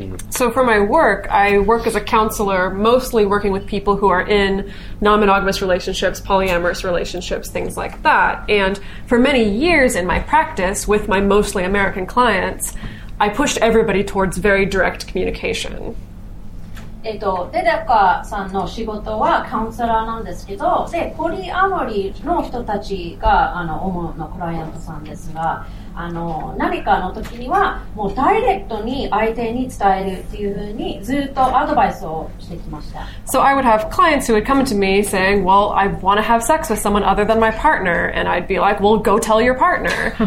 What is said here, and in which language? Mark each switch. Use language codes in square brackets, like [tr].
[en] So for my work, I work as a counselor, mostly working with people who are in non-monogamous relationships, polyamorous relationships, things like that. And for many years in my practice with my mostly American clients, I pushed everybody towards very direct communication. [ja] デデカさんの仕事はカウンセラーなんですけど、で、ポリアモリーの人たちが、主のクライアントさんですが、何かの時にはもうダイレクトに相手に伝えるっていうふうにずっとアドバイスをしてきました。 [en] So I would have clients who would come to me saying, well, I want to have sex with someone other than my partner. And I'd be like, well, go tell your partner.